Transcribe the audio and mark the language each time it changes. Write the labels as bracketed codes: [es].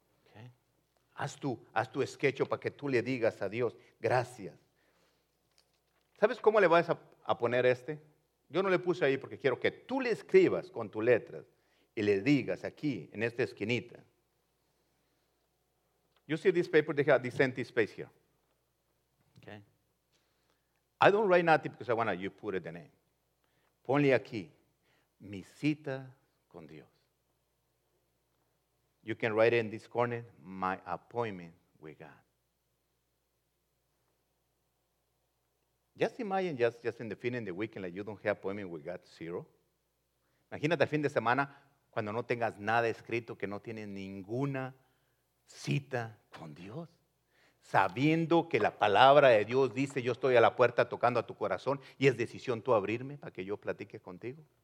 [es] Okay. Haz tu sketch para que tú le digas a Dios, gracias. ¿Sabes cómo le vas a poner este? Yo no le puse ahí porque quiero que tú le escribas con tus letras y le digas aquí, en esta esquinita. [en] You see this paper, they have this empty space here. Okay. I don't write nothing because I want you to put it the name. [es] Ponle aquí, mi cita con Dios. [en] You can write it in this corner, my appointment with God. Just imagine, just in the fin of the weekend, like you don't have appointment with God, zero. [es] Imagínate el fin de semana cuando no tengas nada escrito, que no tienes ninguna cita con Dios. Sabiendo que la palabra de Dios dice, yo estoy a la puerta tocando a tu corazón y es decisión tú abrirme para que yo platique contigo.